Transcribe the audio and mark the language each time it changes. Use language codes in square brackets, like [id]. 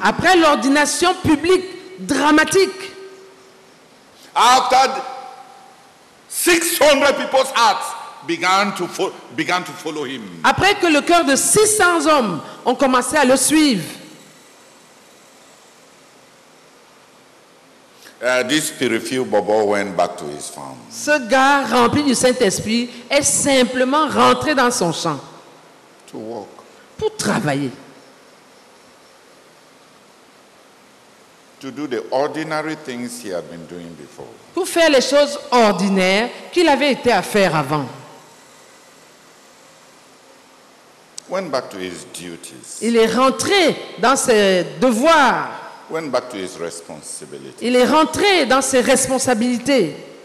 [fr] Après l'ordination publique dramatique. [en] After 600 people's hearts began to follow him. [fr] Après que le cœur de 600 hommes ont commencé à le suivre. [en] This spiritual bobo went back to his farm. [fr] Ce gars rempli du Saint-Esprit est simplement rentré dans son champ. [en] To work. [fr] Pour travailler. [en] To do the ordinary things he had been doing before. [fr] Pour faire les choses ordinaires qu'il avait été à faire avant. [en] Went back to his duties. [fr] Il est rentré dans ses devoirs. [en] Went back to his responsibilities. [fr] Il est rentré dans ses responsabilités.